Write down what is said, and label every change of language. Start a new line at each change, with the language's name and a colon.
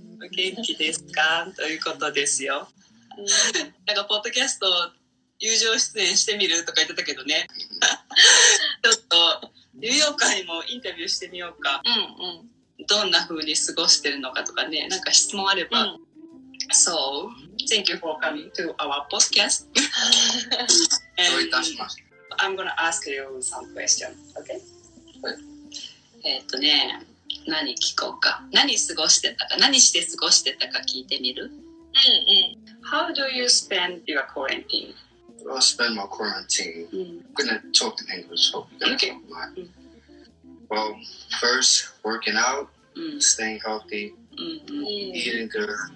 Japanese: 元気ですかということですよ。なんかポッドキャスト友情出演してみるとか言ってたけどね。ちょっとニューヨーカーにもインタビューしてみようか。うんうん。どんな風に過ごしてるのかとかね、なんか質問あれば。うん、
English: So, thank you for coming to our podcast. I'm gonna ask you some questions, okay?
Japanese: 何聞こうか。何過ごしてたか、何して過ごしてたか聞いてみる。
English: How do you spend your quarantine? I'll spend my quarantine. I'm gonna talk in English, hopefully. Well, first, working out, staying healthy, eating good.